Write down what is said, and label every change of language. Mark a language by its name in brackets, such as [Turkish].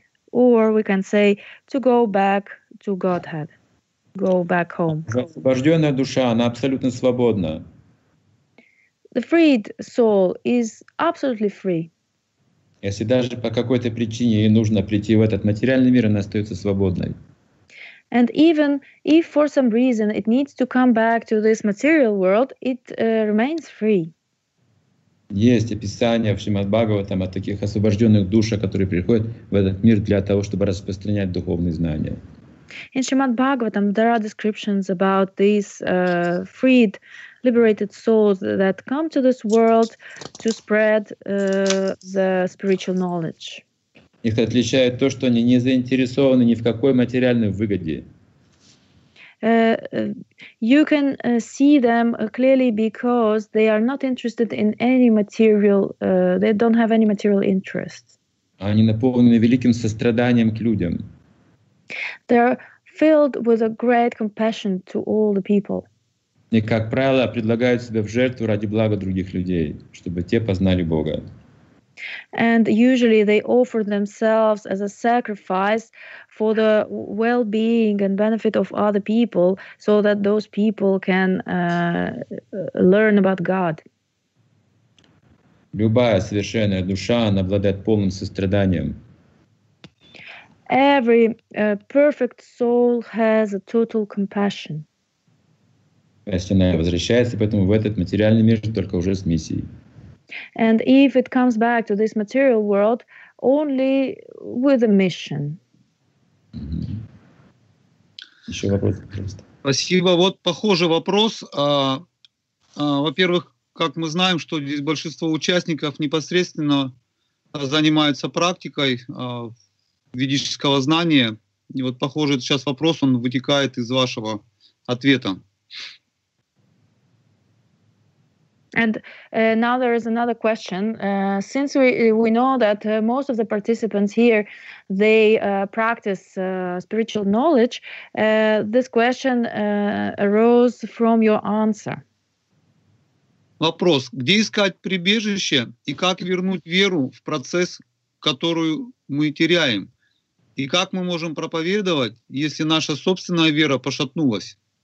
[English] Or we can say to go back to Godhead, go back home. [Russian] Освобожденная душа, она абсолютно свободна. [English] The freed soul is absolutely free. [Russian] Если даже по какой-то причине ей нужно прийти в этот материальный мир, она остается свободной. [English] And even if for some reason it needs to come back to this material world, it remains free. [Russian] Есть описание в Шримад-Бхагаватам о таких освобожденных душах, которые приходят в этот мир для того, чтобы распространять духовные знания. [English] In Shrimad-Bhagavatam there are descriptions about these freed, liberated souls that come to this world to spread the spiritual knowledge. [Russian] Их отличает то, что они не заинтересованы ни в какой материальной выгоде. [English] You can see them clearly because they are not interested in any material, they don't have any material interests. [Russian] Они наполнены великим состраданием к людям. [English] They are filled with a great compassion to all the people. [Russian] И, как правило, предлагают себя в жертву ради блага других людей, чтобы те познали Бога. [English] And usually they offer themselves as a sacrifice for the well-being and benefit of other people, so that those people can learn about God. [Russian] Любая совершенная душа, она обладает полным состраданием. [English] Every perfect soul has a total compassion. [Russian] Если она возвращается поэтому в этот материальный мир, только уже с миссией. [English] And if it comes back to this material world, only with a mission. [Russian] Mm-hmm. Еще вопрос, пожалуйста. Спасибо. Вот похожий вопрос. Во-первых, как мы знаем, что здесь большинство участников непосредственно занимаются практикой ведического знания, И вот, похоже, сейчас вопрос, он вытекает из вашего ответа. [English] And now there is another question. Since we know that most of the participants here, they practice spiritual knowledge, this question arose from your answer. [Russian] Вопрос: где искать прибежище и как вернуть веру в процесс, которую мы теряем? И как мы можем проповедовать, если наша собственная вера пошатнулась?